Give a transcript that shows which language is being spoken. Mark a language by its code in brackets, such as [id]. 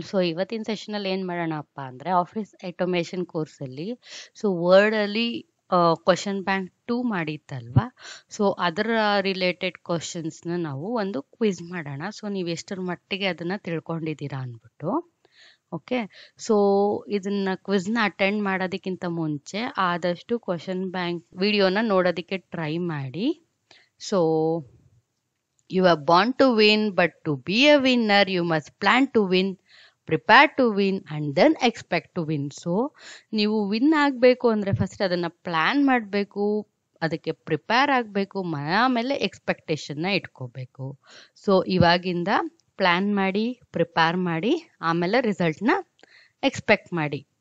[kn] So ಇವತ್ತಿನ ಸೆಷನಲ್ಲಿ ಏನು ಮಾಡೋಣಪ್ಪ ಅಂದರೆ, office automation ಕೋರ್ಸಲ್ಲಿ so ವರ್ಡಲ್ಲಿ question bank 2 ಮಾಡಿತ್ತಲ್ವ, so ಅದರ ರಿಲೇಟೆಡ್ ಕ್ವಶನ್ಸ್ನ ನಾವು ಒಂದು ಕ್ವಿಜ್ ಮಾಡೋಣ. ಸೊ ನೀವು ಎಷ್ಟರ ಮಟ್ಟಿಗೆ ಅದನ್ನು ತಿಳ್ಕೊಂಡಿದ್ದೀರಾ ಅಂದ್ಬಿಟ್ಟು. ಓಕೆ, ಸೊ ಇದನ್ನು ಕ್ವಿಜ್ನ ಅಟೆಂಡ್ ಮಾಡೋದಕ್ಕಿಂತ ಮುಂಚೆ ಆದಷ್ಟು ಕ್ವಶನ್ ಬ್ಯಾಂಕ್ ವಿಡಿಯೋನ ನೋಡೋದಕ್ಕೆ ಟ್ರೈ ಮಾಡಿ. [en] So You are born to win, but to be a winner, you must plan to win, prepare to win, and then expect to win. [kn] So, ನೀವು win ಆಗಬೇಕು ಅಂದರೆ ಫಸ್ಟ್ ಅದನ್ನು ಪ್ಲ್ಯಾನ್ ಮಾಡಬೇಕು, ಅದಕ್ಕೆ prepare ಆಗಬೇಕು, ಆಮೇಲೆ ಎಕ್ಸ್ಪೆಕ್ಟೇಷನ್ನ ಇಟ್ಕೋಬೇಕು. ಸೊ ಇವಾಗಿಂದ ಪ್ಲ್ಯಾನ್ ಮಾಡಿ, ಪ್ರಿಪೇರ್ ಮಾಡಿ, ಆಮೇಲೆ ರಿಸಲ್ಟ್ನ ಎಕ್ಸ್ಪೆಕ್ಟ್ ಮಾಡಿ.